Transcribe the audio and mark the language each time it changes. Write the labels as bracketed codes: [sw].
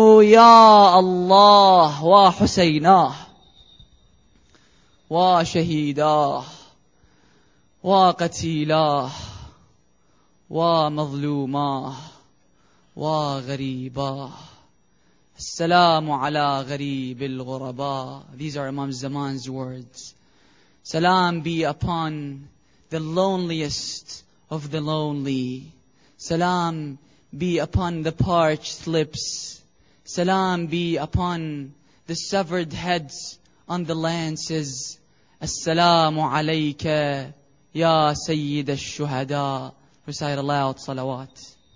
[ar] يا الله وحسيناه وشهيداه وقتيلاه ومظلوماه وغريباه. السلام على غريب الغرباء. [en] These are Imam Zaman's words. Salam be upon the loneliest of the lonely. Salam be upon the parched lips. Salam be upon the severed heads on the lances. [ar] السلام عليك يا سيد الشهداء. [en] Recite aloud salawat.